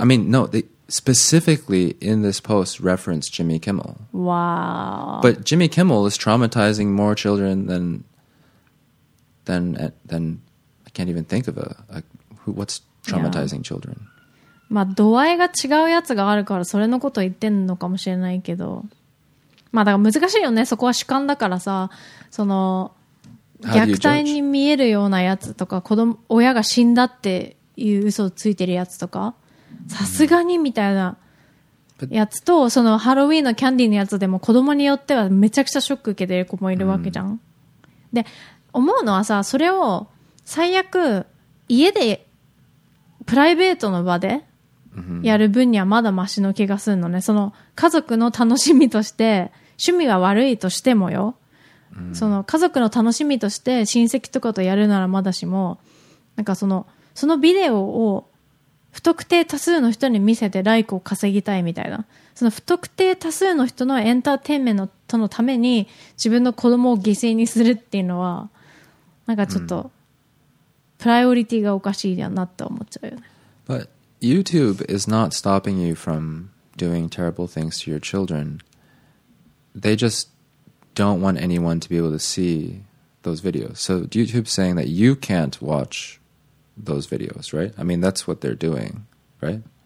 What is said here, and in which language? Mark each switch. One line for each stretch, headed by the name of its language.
English: I mean, no, they specifically in this post referenced Jimmy Kimmel. Wow. But Jimmy Kimmel is traumatizing more children than I can't even think of what's traumatizing yeah. children.
Japanese: まあ、度合いが違うやつがあるからそれのこと言ってんのかもしれないけど。まあだから難しいよね、そこは主観だからさ、その虐待に見えるようなやつとか、子供親が死んだっていう嘘をついてるやつとか、さすがにみたいなやつと、そのハロウィーンのキャンディーのやつでも子供によってはめちゃくちゃショック受けてる子もいるわけじゃん。で思うのはさ、それを最悪家でプライベートの場でやる分にはまだマシの気がするのね。その家族の楽しみとして趣味が悪いとしてもよ、その家族の楽しみとして親戚とかとやるならまだしも、なんかそのビデオを不特定多数の人に見せてライクを稼ぎたいみたいな、その不特定多数の人のエンターテインメントとのために自分の子供を犠牲にするっていうのはなんかちょっとプライオリティがおかしいやなって思っちゃうよね。
English: ButYouTube is not stopping you from doing terrible things to your children. They just don't want anyone to be able to see those videos. So YouTube's saying that you can't watch those videos, right? I mean, that's what they're doing, right?